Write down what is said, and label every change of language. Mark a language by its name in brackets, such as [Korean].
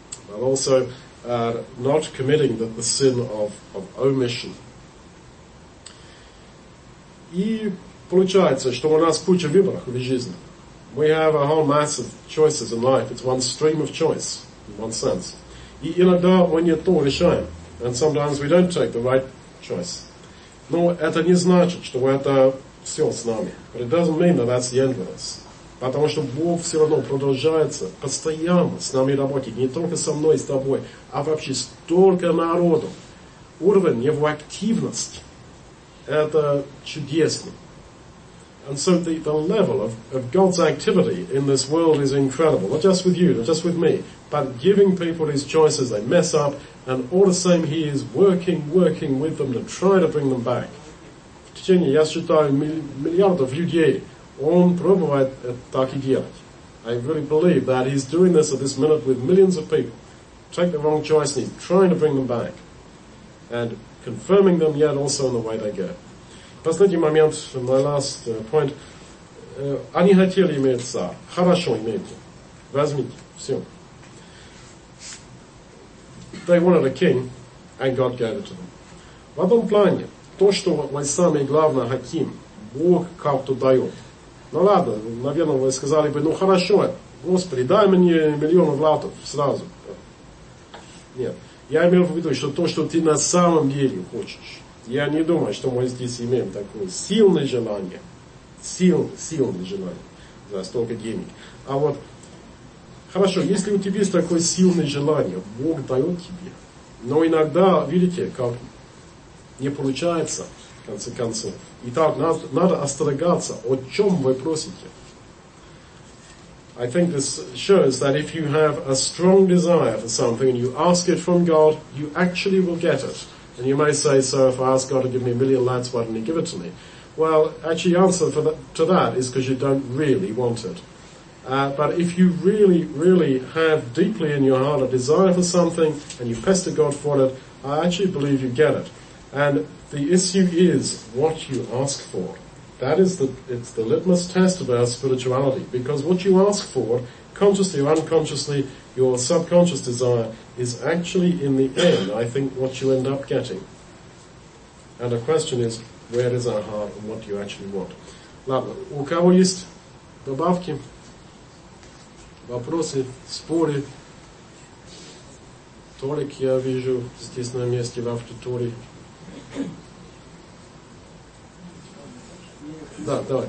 [English] But also not committing the sin of omission. [Russian] И получается, что у нас куча выборов в жизни. [English] We have a whole mass of choices in life. It's one stream of choice, in one sense. And sometimes we don't take the right choice. [Russian] Но это не значит, что это все с нами. [English] But it doesn't mean that that's the end with us. [Russian] Потому что Бог все равно продолжается постоянно с нами работать. Не только со мной, с тобой, а вообще столько народу. Уровень его активности – это чудесно. [English] And so the level of God's activity in this world is incredible. Not just with you, not just with me, but giving people these choices they mess up, and all the same he is working with them to try to bring them back. [Russian] В течение, я считаю, миллиардов людей, он пробует так и делать. [English] I really believe that he's doing this at this minute with millions of people. Take the wrong choice and he's trying to bring them back. And confirming them yet also in the way they go. [Russian] Последний момент, [English] my last point. [Russian] Они хотели иметь отца. Хорошо, имейте. Возьмите. Все. They wanted a king, and God gave it to them. В одном плане, то, что мы сами главное хотим, Бог как-то дает. Ну ладно, наверное, вы сказали бы, ну хорошо, Господи, дай мне миллион латов сразу. Нет. Я имел в виду, что то, что ты на самом деле хочешь, я не думаю, что мы здесь имеем такое сильное желание. Сильное желание за столько денег. А вот, хорошо, если у тебя есть такое сильное желание, Бог дает тебе. Но иногда, видите, как не получается, в конце концов. Итак, надо остерегаться, о чем вы просите. [English] I think this shows that if you have a strong desire for something and you ask it from God, you actually will get it. And you may say, so if I ask God to give me a million lads, why didn't he give it to me? Well, actually the answer to that is because you don't really want it. But if you really, really have deeply in your heart a desire for something and you pester God for it, I actually believe you get it. And the issue is what you ask for. That is it's the litmus test of our spirituality. Because what you ask for, consciously or unconsciously, your subconscious desire is actually in the end, I think, what you end up getting. And the question is, where is our heart and what do you actually want? [Russian] Ладно, у кого есть добавки, вопросы, споры? Толик, я вижу здесь на месте в аудитории. Да, давай.